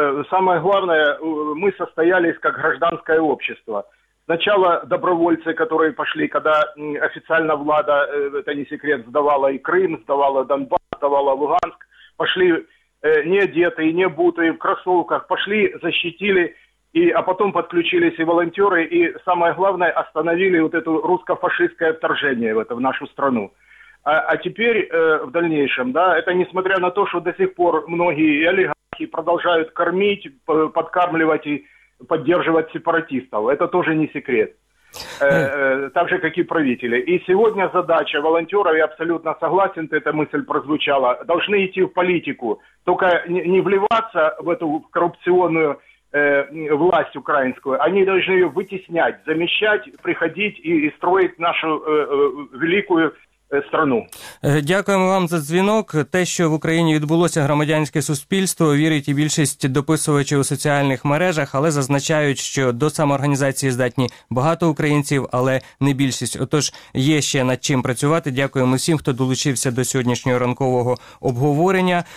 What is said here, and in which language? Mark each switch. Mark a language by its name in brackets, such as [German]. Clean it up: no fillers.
[Ukrainian] Саме головне, ми состоялись як гражданське общество. Спочатку добровольці, які пішли, коли офіційна влада, це не секрет, здавала і Крим, здавала Донбас, здавала Луганськ, пішли не одягнені, не обуті, в кросівках, пішли, захистили. [Russian] А потом подключились и волонтеры, и самое главное, остановили вот это русско-фашистское вторжение в нашу страну. А теперь, в дальнейшем, да, это несмотря на то, что до сих пор многие олигархи продолжают кормить, подкармливать и поддерживать сепаратистов. Это тоже не секрет. Так же, как и правители. И сегодня задача волонтеров, я абсолютно согласен, эта мысль прозвучала, должны идти в политику, только не вливаться в эту коррупционную власть украинскую, они должны ее вытеснять, замещать, приходить и строить нашу великую страну. [Ukrainian] Дякуємо вам за дзвінок. Те, що в Україні відбулося громадянське суспільство, вірить і більшість дописувачів у соціальних мережах, але зазначають, що до самоорганізації здатні багато українців, але не більшість. Отож, є ще над чим працювати. Дякуємо всім, хто долучився до сьогоднішнього ранкового обговорення.